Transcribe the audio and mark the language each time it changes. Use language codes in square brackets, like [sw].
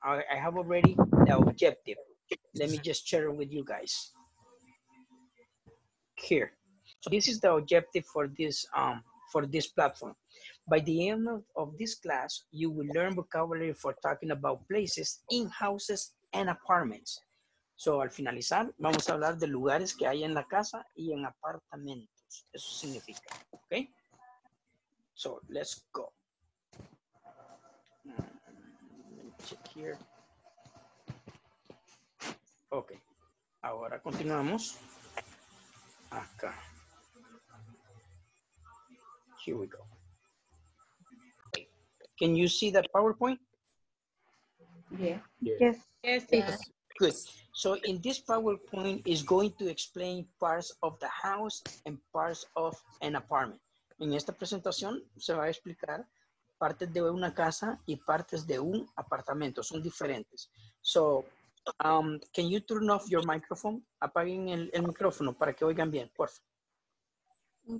[en] I have already the objective. Let me just share it with you guys. Here. So this is the objective for this platform. By the end of this class, you will learn vocabulary for talking about places in houses and apartments. [es] So, al finalizar, vamos a hablar de lugares que hay en la casa y en apartamentos. Eso significa, [en] okay? So, let's go. Let me check here. [es] Okay, ahora continuamos. Acá. [en] Here we go. Can you see that PowerPoint? Yeah. Yes. Good. So in this PowerPoint is going to explain parts of the house and parts of an apartment. [es] En esta presentación se va a explicar partes de una casa y partes de un apartamento. Son diferentes. [en] So can you turn off your microphone? [es] Apaguen el micrófono para que oigan bien, por favor.